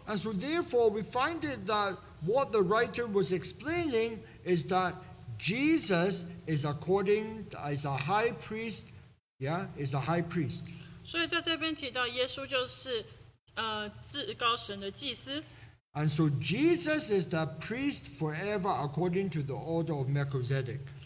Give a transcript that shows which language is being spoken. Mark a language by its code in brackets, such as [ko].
[en] And so therefore, we find it that what the writer was explaining is that Jesus is according as a high priest. Yeah, is a high priest. [zh] 所以在这边提到耶稣就是至高神的祭司。 [en] And so Jesus is the priest forever according to the order of Melchizedek.